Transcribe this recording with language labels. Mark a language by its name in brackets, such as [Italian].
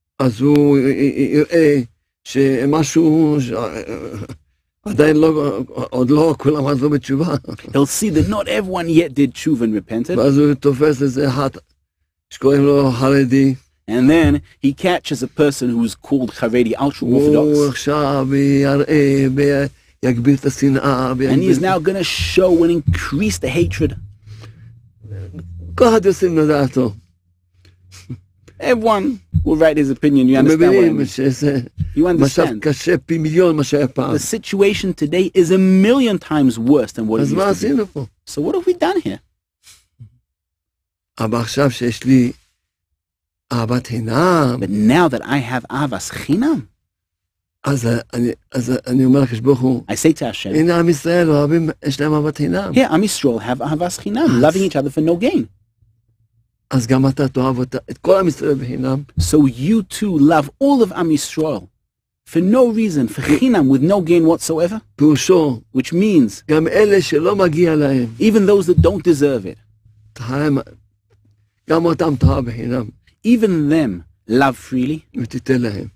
[Hebrew] אז הוא יראה שמשהו עדיין לא, עוד לא, כולם עזרו בתשובה. [English] He'll see that not everyone yet did tshuva and repented. [Hebrew] ואז הוא תופס איזה אחד שקוראים לו חרדי. [English] And then he catches a person who's called חרדי, ultra orthodox. [Hebrew] הוא עכשיו יראה, יגביר את השנאה. [English] And he's now going to show and increase the hatred. [Hebrew] כל אחד יושים לדעתו. [English] Everyone will write his opinion. You understand what I mean? You understand? The situation today is a million times worse than what it used to be. So what have we done here? But now that I have Avas Chinam, I say to Hashem, here, Am Yisrael have Avas Chinam, loving each other for no gain. [Hebrew] אז גם אתה תאהב את כל עם ישראל בחינם. [English] So you too love all of Am Yisrael for no reason, for chinam, with no gain whatsoever, [Hebrew] Pirusho, [English] which means [Hebrew] gam ele shelo magi alayhem, [English] even those that don't deserve it, [Hebrew] tahem, gam otam tahar b'chinam, [English] even them, love freely, [Hebrew] v'titen lahem,